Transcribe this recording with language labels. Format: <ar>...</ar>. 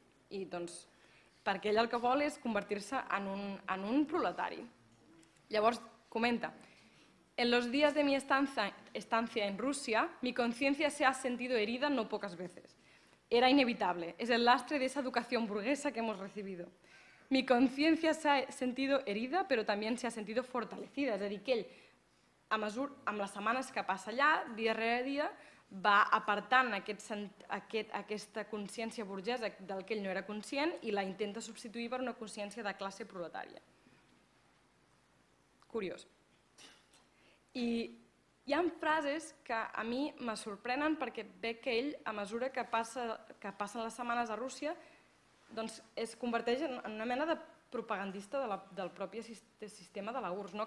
<ca>I doncs, perquè ell el que vol és convertir-se en un proletari. Llavors comenta,</ca> <es>en los días de mi estancia en Rusia, mi conciencia se ha sentido herida no pocas veces. Era inevitable, es el lastre de esa educación burguesa que hemos recibido. Mi conciencia se ha sentido herida, pero también se ha sentido fortalecida.</es> <ca>És a dir, que ell, amb les setmanes que passa allà, dia rere dia, va apartant aquesta consciència burgesa del que ell no era conscient i la intenta substituir per una consciència de classe proletària. Curiós. I hi ha frases que a mi me sorprenen perquè veig que ell, a mesura que passen les setmanes a Rússia, doncs es converteix en una mena de propagandista del propi sistema de la URSS. No?</ca>